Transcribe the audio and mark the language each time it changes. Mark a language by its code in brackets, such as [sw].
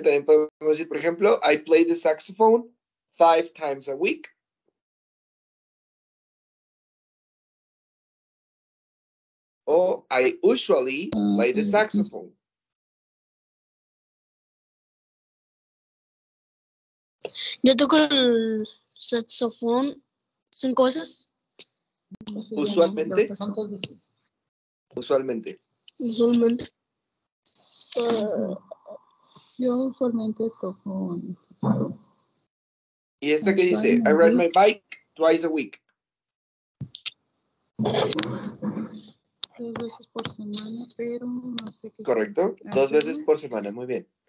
[es] También podemos decir, por ejemplo, [en] I play the saxophone 5 times a week. O I usually play the saxophone. [es] Yo toco el saxofón 5 veces. ¿Usualmente? ¿Usualmente? Usualmente. Yo usualmente toco. ¿Y esta qué dice? [en] I ride my bike 2 times a week. [es] 2 veces por semana, pero no sé qué. Correcto, 2 veces por semana, muy bien.